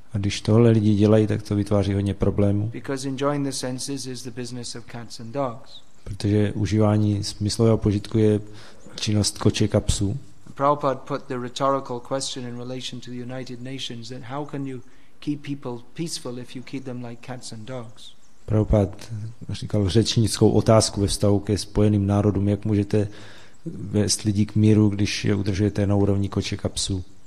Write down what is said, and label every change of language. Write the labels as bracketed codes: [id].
[cs] A když tohle lidi dělají, tak to vytváří hodně problémů. [en] Because enjoying the senses is the business of cats and dogs. [cs] Protože užívání smyslového požitku je činnost koček a psů. [en] Prabhupada put the rhetorical question in relation to the United Nations that how can you keep people peaceful if you keep them like cats and dogs? [cs] Prabhupada říkal řečnickou otázku ve vztahu ke Spojeným národům, jak můžete vést lidi k míru, když je udržujete na úrovni koček a psů.